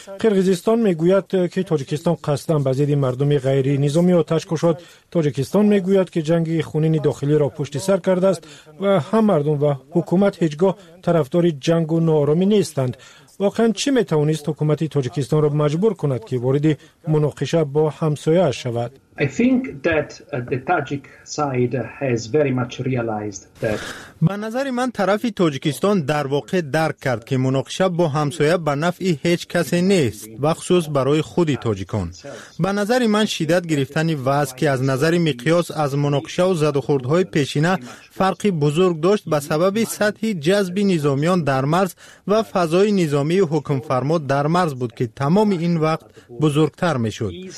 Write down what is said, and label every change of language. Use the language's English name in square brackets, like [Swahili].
[Persian] قرقیزستان می گوید که تاجیکستان قصداً به ضد مردم غیر نظامی آتش گشود. تاجیکستان می گوید که جنگ خونین داخلی را پشت سر کرده است و هم مردم و حکومت هیچگاه طرفدار جنگ و ناآرامی نیستند. واقعا چی می توانست حکومت تاجیکستان را مجبور کند که وارد مناقشه با همسایه اش شود؟ [English] I think that the Tajik side has very much realized that [Persian] به نظر من طرف تاجیکستان در واقع درک کرد که مناقشه با همسایه به نفع هیچ کسی نیست و خصوص برای خود تاجیکان. به نظر من شدت گرفتن وضع که از نظر مقیاس از مناقشه و زد و خوردهای پیشینه فرقی بزرگ داشت به سبب سطح جذب نظامیان در مرز و فضای نظامی حکم فرما در مرز بود که تمام این وقت بزرگتر می شد.